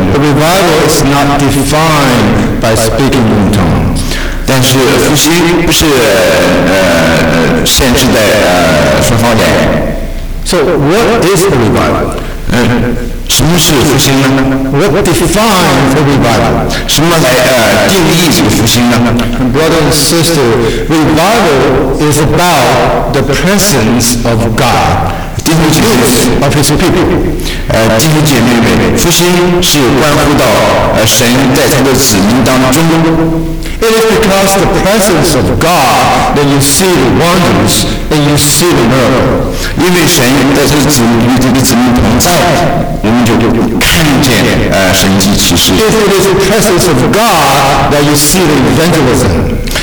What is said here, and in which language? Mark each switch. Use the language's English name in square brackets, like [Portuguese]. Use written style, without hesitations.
[English] The revival is not defined by speaking in tongues. [Chinese] 但是复兴不是限制在说方言。 [English] So what is the revival? [Chinese] 什么是复兴呢？ [English] What defines the revival? [Chinese] 什么来定义这个复兴呢？ [English] Brother and sister, revival is about the presence of God. [Chinese] 弟兄姐妹们，复兴是关乎到神在他的子民当中。 [English] It is because the presence of God that you see the wonders and you see the miracle. [Chinese] 因为神在这个子民同在，我们就看见神迹奇事。 [English] If it is the presence of God that you see the evangelism.